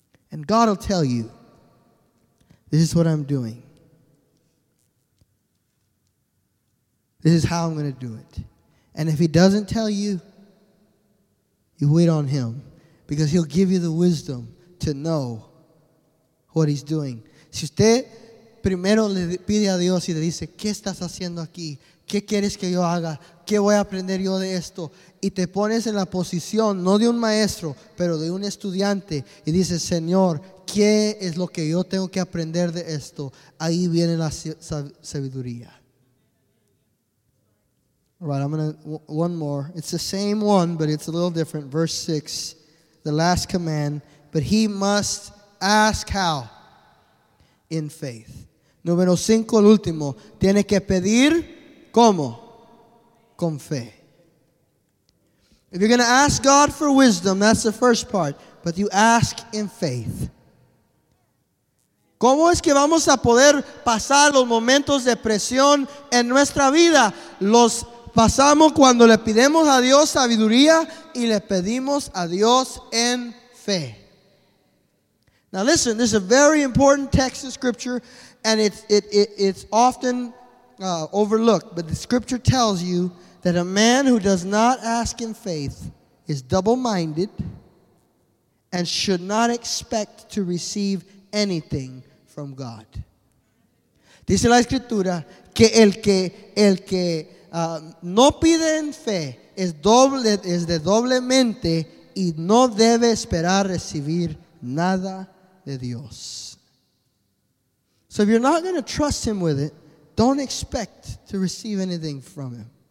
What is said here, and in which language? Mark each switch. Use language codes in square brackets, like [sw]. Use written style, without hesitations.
[en] And God will tell you, this is what I'm doing. This is how I'm going to do it. And if he doesn't tell you, you wait on him, because he'll give you the wisdom to know what he's doing. [es] Si usted primero le pide a Dios y le dice, ¿qué estás haciendo aquí? ¿Qué quieres que yo haga? ¿Qué voy a aprender yo de esto? Y te pones en la posición, no de un maestro, pero de un estudiante, y dices, Señor, ¿qué es lo que yo tengo que aprender de esto? Ahí viene la sabiduría. [en] Right, I'm going to, one more. It's the same one, but it's a little different. Verse 6, the last command. But he must ask how? In faith. [es] Número 5, el último. Tiene que pedir, ¿cómo? Con fe. [en] If you're going to ask God for wisdom, that's the first part. But you ask in faith. [es] ¿Cómo es que vamos a poder pasar los momentos de presión en nuestra vida? Los pasamos cuando le pedimos a Dios sabiduría y le pedimos a Dios en fe. [en] Now listen, this is a very important text of scripture, and it's often overlooked, but the scripture tells you that a man who does not ask in faith is double-minded and should not expect to receive anything from God. [es] Dice la escritura que el que no pide en fe es de doble mente y no debe esperar recibir nada de Dios. [en] So if you're not going to trust him with it, don't expect to receive anything from him.